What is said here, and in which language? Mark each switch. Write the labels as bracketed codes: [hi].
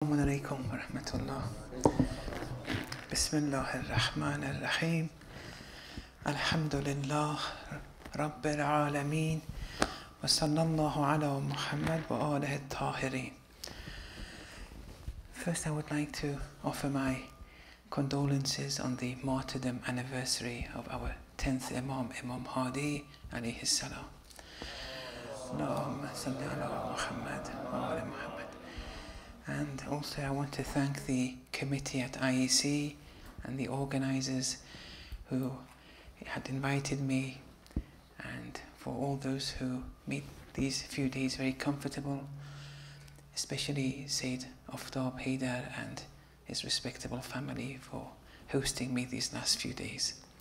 [ar] السلام عليكم ورحمة الله. بسم الله الرحمن الرحيم. الحمد لله رب العالمين وصلى الله على محمد وآله الطاهرين. [en] First, I would like to offer my condolences on the martyrdom anniversary of our 10th Imam, Imam Hadi [ar] عليه السلام. اللهم صل على محمد وآل محمد. [en] And also I want to thank the committee at IEC and the organizers who had invited me and for all those who made these few days very comfortable, especially Sayyid Aftab Haider and his respectable family for hosting me these last few days.